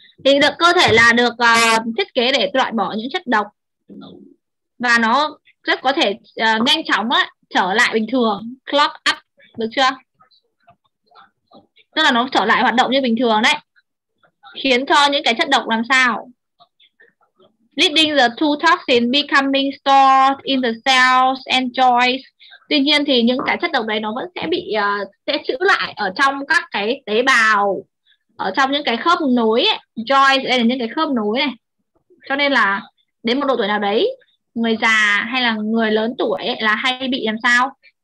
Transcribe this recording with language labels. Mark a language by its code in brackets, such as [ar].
[vi] Thì được cơ thể là được thiết kế để loại bỏ những chất độc. Và nó rất có thể nhanh chóng trở lại bình thường, clock up, được chưa? Tức là nó trở lại hoạt động như bình thường đấy. Khiến cho những cái chất độc làm sao? [en] Leading the two toxins becoming stored in the cells and joints. [vi] Tuy nhiên thì những cái chất độc đấy nó vẫn sẽ bị sẽ trữ lại ở trong các cái tế bào, ở trong những cái khớp nối ấy. Joints đây là những cái khớp nối này. Cho nên là đến một độ tuổi nào đấy, người già hay là người lớn tuổi ấy, là hay bị làm sao?